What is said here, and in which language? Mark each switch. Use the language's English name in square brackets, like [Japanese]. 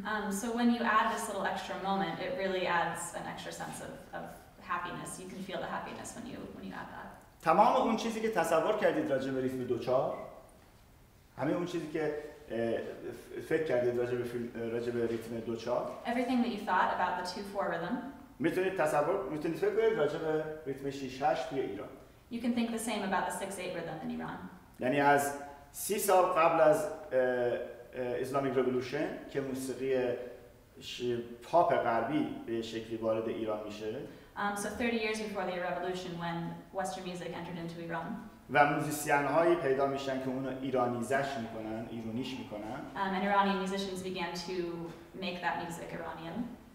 [English] So when you add this little extra moment it really adds an extra sense of happiness you can feel the happiness when you add that [Persian] تمام اون چیزی که تصور کردید راجع به ریتم دو چهار همه اون چیزی که فکر کردید راجع به ریتم دو چهار [English] everything that you thought about the 2-4 rhythm [Persian] میتونید فکر کنید راجع به ریتم 6-8 توی ایران [English] You can think the same about the 6-8 rhythm in Iran. [Persian] یعنی از 30 سال قبل از اسلامیک رولوشن که موسیقی پاپ غربی به شکلی وارد ایران میشه. [English] So 30 years before the revolution when western music entered into Iran. [Persian] و موزیسین‌هایی پیدا میشن که اونو ایرانیزش میکنن، ایرانیش میکنن. [English] And Iranian musicians began to make that music Iranian.